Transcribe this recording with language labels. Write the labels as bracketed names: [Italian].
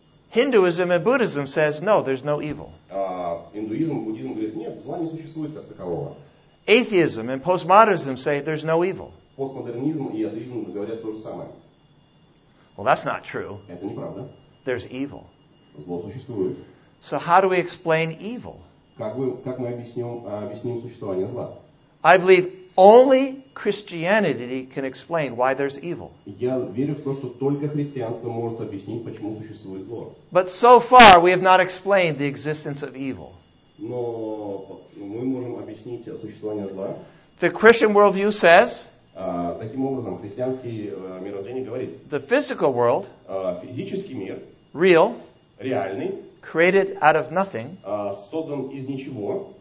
[English] Hinduism and Buddhism says, no, there's no evil. [Russian] Индуизм, буддизм говорит, нет, зла не существует как такового. [English] Atheism and postmodernism say there's no evil. [Russian] Постмодернизм и атеизм говорят то же самое. [English] Well, that's not true. [Russian] Это неправда. [English] There's evil. [Russian] Зло существует. [English] So how do we explain evil? [Russian] Как мы объясним существование зла? [English] I believe only Christianity can explain why there's evil. [Russian] Я верю в то, что только христианство может объяснить, почему существует зло. [English] But so far we have not explained the existence of evil. [Russian] Но мы можем объяснить существование зла. [English] The Christian worldview says. [Russian] Таким образом, христианский мировоззрение говорит. [English] The physical world. [Russian] Физический мир. [English] Real. [Russian] Реальный. [English] Created out of nothing. [Russian] Создан из ничего.